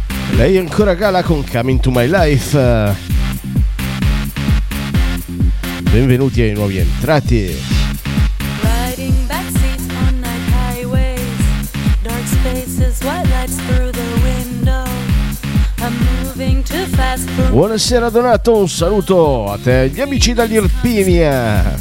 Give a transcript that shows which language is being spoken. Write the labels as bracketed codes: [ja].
[it] lei è ancora Gala con Coming to My Life. Benvenuti ai nuovi entrati. [en] Riding backseats on night highways, dark spaces, white lights through the window. I'm moving too fast for... [it] Buonasera Donato, un saluto a te, gli amici dall'Irpinia.